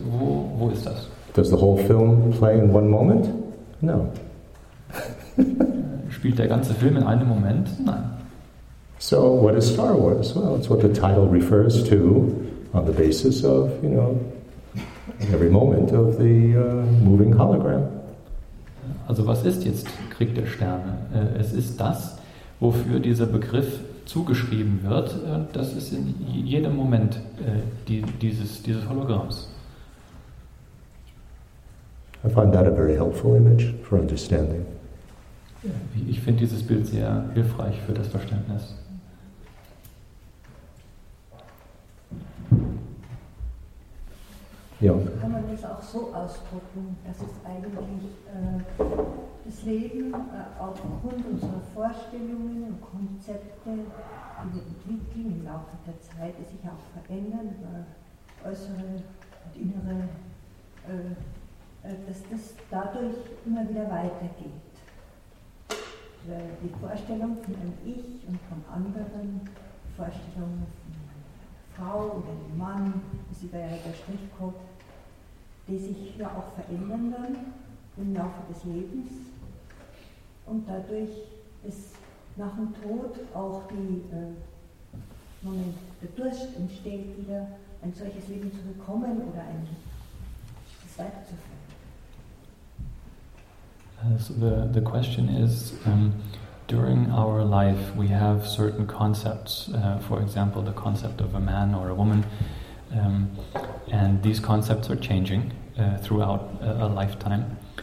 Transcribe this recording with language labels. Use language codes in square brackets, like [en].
[de] Wo ist das? [en] Does the whole film play in one moment? No. [de] Spielt der ganze Film in einem Moment? Nein. [en] So, what is Star Wars? Well, it's what the title refers to on the basis of, you know, every moment of the moving hologram. [de] Also, was ist jetzt Krieg der Sterne? Es ist das, wofür dieser Begriff zugeschrieben wird, das ist in jedem Moment dieses Hologramms. [en] I find that a very helpful image for understanding. [de] Ich finde dieses Bild sehr hilfreich für das Verständnis. Ja. Kann man das auch so ausdrücken, dass es eigentlich das Leben aufgrund unserer Vorstellungen und Konzepte, die wir entwickeln im Laufe der Zeit, die sich auch verändern, äußere und innere, dass das dadurch immer wieder weitergeht? Weil die Vorstellung von einem Ich und vom anderen, die Vorstellung von einer Frau oder einem Mann, das ist ja der Strichcode, die sich ja auch verändern dann im Laufe des Lebens. Und dadurch ist nach dem Tod auch die Moment, der Durst entsteht wieder, ein solches Leben zu bekommen oder ein das weiterzuführen. [en] So the question is, during our life we have certain concepts, for example the concept of a man or a woman, and these concepts are changing throughout a lifetime.